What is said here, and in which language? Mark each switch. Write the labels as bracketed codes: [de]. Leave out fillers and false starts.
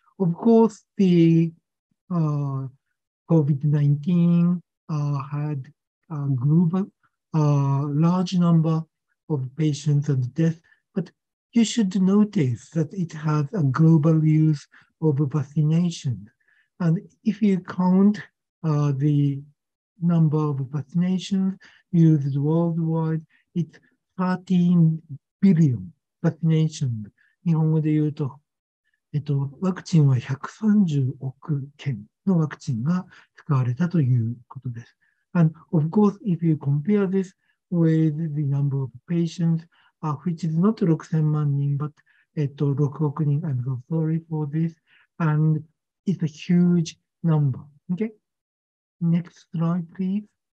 [en] Of course, the COVID-19 had a global, large number of patients and deaths, but you should notice that it has a global use of vaccination. And if you count the number of vaccinations used worldwide, it's 13 billion vaccinations. [ja] 日本語で言うと、ワクチンは130億件のワクチンが使われたということです。 [en] And of course, if you compare this with the number of patients, which is not 6000万人, but 6億人, I'm so sorry for this, and it's a huge number. Okay? Next slide, please.